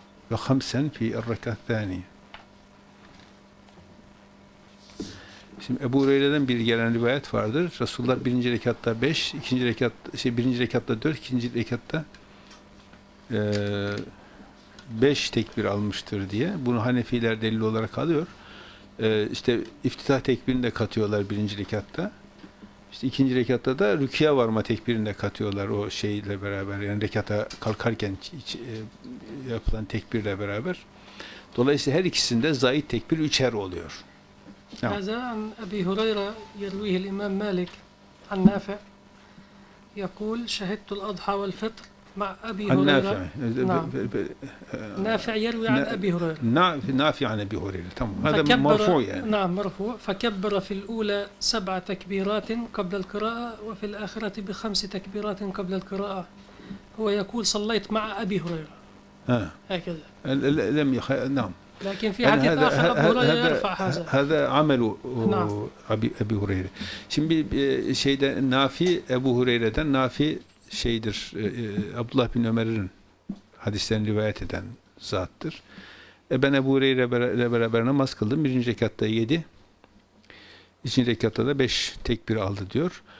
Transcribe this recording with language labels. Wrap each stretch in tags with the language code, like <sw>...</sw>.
<ar>وخمسا في الركعة الثانية.</ar> <tr>Şimdi Ebu Hureyre'den bir gelen rivayet vardır. Resulullah birinci rekatta 5, ikinci rekat şey birinci rekatta 4, ikinci rekatta 5 tekbir almıştır diye. Bunu Hanefiler delil olarak alıyor. İşte iftitah tekbirini de katıyorlar birinci rekatta. İşte ikinci rekatta da rükûya varma tekbirini de katıyorlar o şeyle beraber. Yani rekata kalkarken yapılan tekbirle beraber. Dolayısıyla her ikisinde zayid tekbir üçer oluyor.</tr> <ar>هذا عن أبي هريرة يرويه الإمام مالك عن نافع يقول شهدت الأضحى والفطر مع أبي هريرة. نافع. نعم. نافع يروي عن أبي هريرة. نافع عن أبي هريرة. تمام. هذا مرفوع يعني. نعم مرفوع. فكبر في الأولى 7 تكبيرات قبل القراءة وفي الآخرة بخمس تكبيرات قبل القراءة. هو يقول صليت مع أبي هريرة. هكذا. لم يخ نعم. لكن في حديث آخر أبو هريرة يرفع هذا. هذا عمل أبي هريرة.</ar> <tr>Şimdi şeyde Nafi Ebu Hureyre'den Nafi şeydir. Abdullah bin Ömer'in hadislerini rivayet eden zattır. Ben Ebu Hureyre ile beraber namaz kıldım. Birinci rekatta 7. İkinci rekatta da 5 tekbir aldı diyor.</tr>